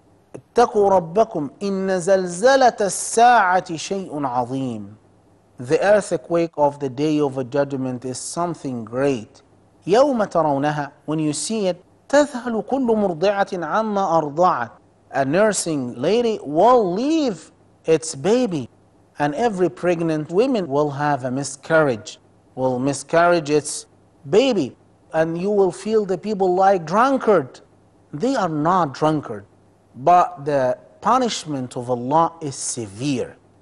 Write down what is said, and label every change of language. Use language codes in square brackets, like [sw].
[ar] اتقوا ربكم إن زلزلة الساعة شيء عظيم. [en] The earthquake of the day of judgment is something great. [ar] يوم ترونها, [en] when you see it, [ar] تذهل كل مرضعة عما أرضعت. [en] A nursing lady will leave its baby, and every pregnant woman will have a miscarriage, will miscarriage its baby, and you will feel the people like drunkard. They are not drunkard. But the punishment of Allah is severe.